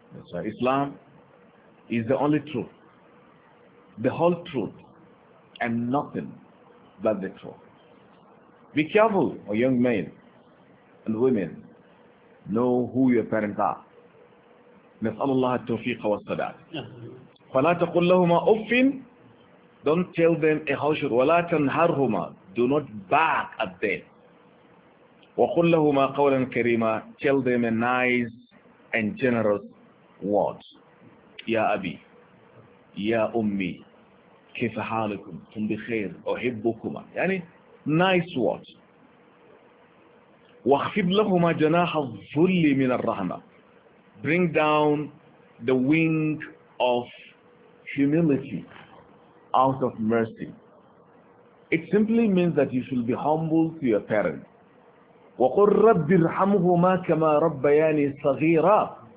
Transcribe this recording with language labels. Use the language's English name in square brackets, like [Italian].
[English] So Islam is the only truth. The whole truth and nothing but the truth. Be careful, O young men and women. Know who your parents are. [Arabic] نسأل الله التوفيق والسداد. فلا تقل لهما أف. [English] Don't tell them a harsh word. [Arabic] ولا تنهرهما. [English] Do not bark at them. [Arabic] وقل لهما قولا كريما. [English] Tell them a nice and generous word. [Arabic] يا أبي. يا أمي. كيف حالكم؟ أنتم بخير. أحبكما. يعني [English] nice word. [Arabic] واخفض لهما جناح الذل من الرحمة. [English] Bring down the wing of humility out of mercy. It simply means that you should be humble to your parents. [Arabic] وَقُلْ رَبِّ ارْحَمْهُمَا كَمَا رَبَّيَانِي صَغِيرًا.